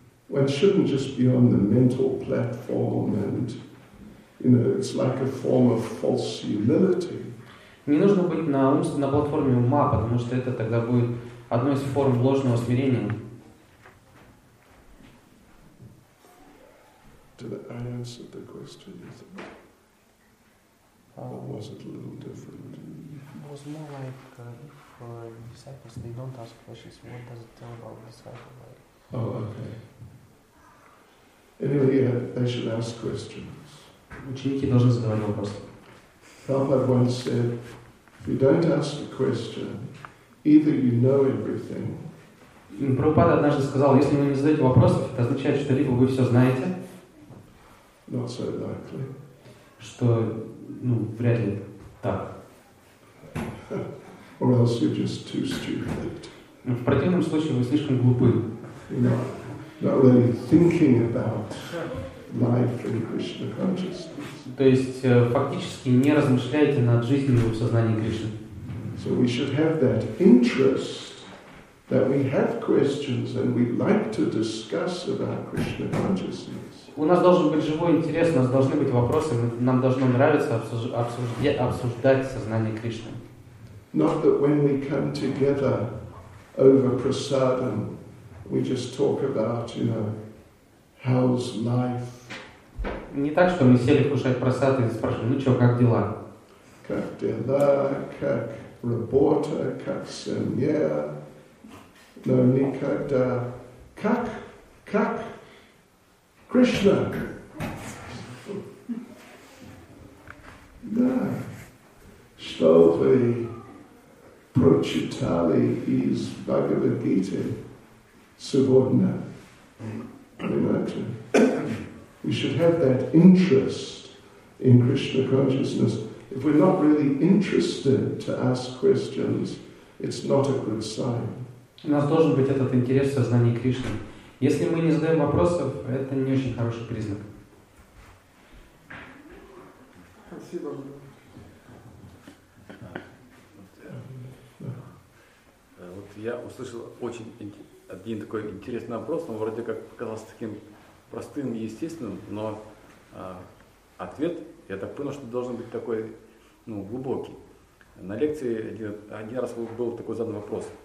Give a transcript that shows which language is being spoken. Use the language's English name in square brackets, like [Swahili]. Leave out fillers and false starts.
[English] One shouldn't just be on the mental platform, and you know, it's like a form of false humility. [Russian] Не нужно быть на платформе ума, потому что это тогда будет одной из форм ложного смирения. [English] Did I answer the question, you think? Or was it a little different? It was more like if disciples, they don't ask questions, what does it tell about the disciple? Like? Oh, okay. Anyway, yeah, they should ask questions. [Russian] Ученики должны задавать вопросы. [English] Prabhupada once said, if you don't ask a question, either you know everything. [Russian] Prabhupada однажды сказал, если вы не задаете вопросов, это означает, что либо вы все знаете, [English] not so likely. [Russian] Что, ну, вряд ли так. [English] Or else you're just too stupid. [Russian] В противном случае вы слишком глупы. [English] Not really thinking about life in Krishna consciousness. [Russian] То есть фактически не размышляете над жизнью в сознании Кришны. [English] So we should have that interest that we have questions and we'd like to discuss about Krishna consciousness. [Russian] У нас должен быть живой интерес, у нас должны быть вопросы, нам должно нравиться обсуждать сознание Кришны. [English] Not that when we come together over prasadam, we just talk about, you know, how's life. [Russian] Не так, что мы сели кушать прасад и спрашиваем, ну что, как дела? Как дела, как работа, как семья, но никогда, как? Krishna. Да. Что вы прочитали из Бхагавад-гиты сегодня? Понимаете? [English] We should have that interest in Krishna consciousness. If we're not really interested to ask questions, it's not a good sign. [Russian] У нас должен быть этот интерес в сознании Кришны. Если мы не задаем вопросов, это не очень хороший признак. Спасибо. Вот я услышал один такой интересный вопрос, он вроде как показался таким простым и естественным, но ответ, я так понял, что должен быть такой, ну, глубокий. На лекции один раз был такой задан вопрос.